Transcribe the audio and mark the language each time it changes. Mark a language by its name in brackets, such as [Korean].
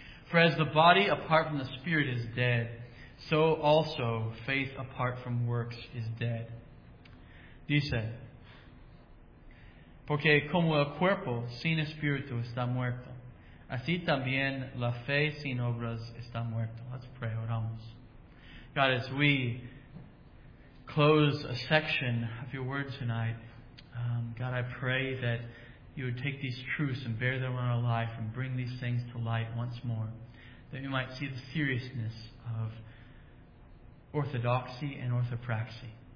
[English] For as the body apart from the spirit is dead, so also faith apart from works is dead. [Spanish] Dice, porque como el cuerpo sin espíritu está muerto, así también la fe sin obras está muerta. [English] Let's pray, [Spanish] oramos. [English] God, as we close a section of your word tonight, God, I pray that you would take these truths and bear them on our life and bring these things to light once more, that we might see the seriousness of orthodoxy and orthopraxy.